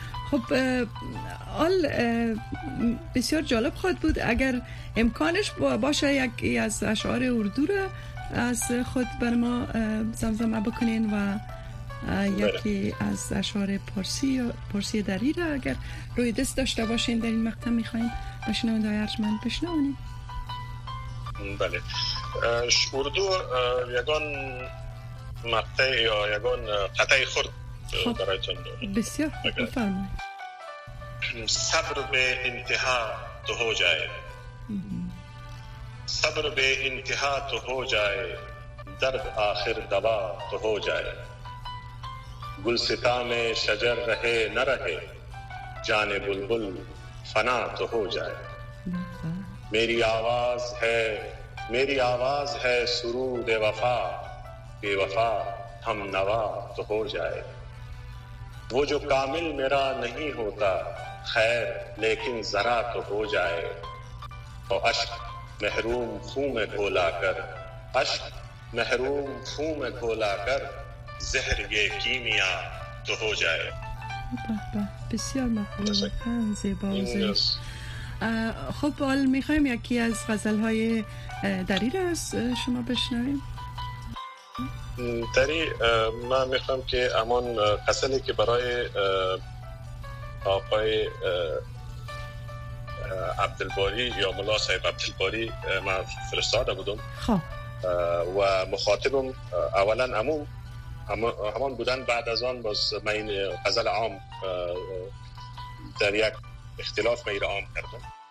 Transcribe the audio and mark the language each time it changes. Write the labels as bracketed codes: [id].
[fa] خب آل بسیار جالب خواهد بود اگر امکانش باشه یکی از اشعار اردو را از خود بر ما زمزمه بکنین و یکی از اشعار پارسی دری را اگر روی دست داشته باشین در این مقطع میخواییم بشنوند های ارجمند بشنوانیم. بله. اردو یگان مقطع یا یگان قطع خرد برایتون دارم. بسیار بفرمایید. [ur] صبر به انتها تو ہو جائے، صبر به انتها تو ہو جائے، درد آخر دوا تو ہو جائے، گلستاں میں شجر رہے نہ رہے، جان بلبل فنا تو ہو جائے. میری آواز ہے، میری آواز ہے سرود وفا، بے وفا ہم نوا تو ہو جائے. وہ جو کامل میرا نہیں ہوتا، خیر لیکن ذرا تو ہو جائے. تو اشک محروم خون میں گھولا کر، اشک محروم خون میں گھولا کر، زہر یہ کیمیا تو ہو جائے. [fa] بہ بہ، بسیار مقبول، زیبا و زیبا. خب حال میخوایم یکی از غزلهای دری را از شما بشنویم. دری، من میخوام که امان غزلی که برای آقای عبدالباری یا ملا صاحب عبدالباری من فرستاده بودم و مخاطبم اولا عموم همان بودن، بعد از آن باز من این غزل عام در یک اختلاف میره عام کردم.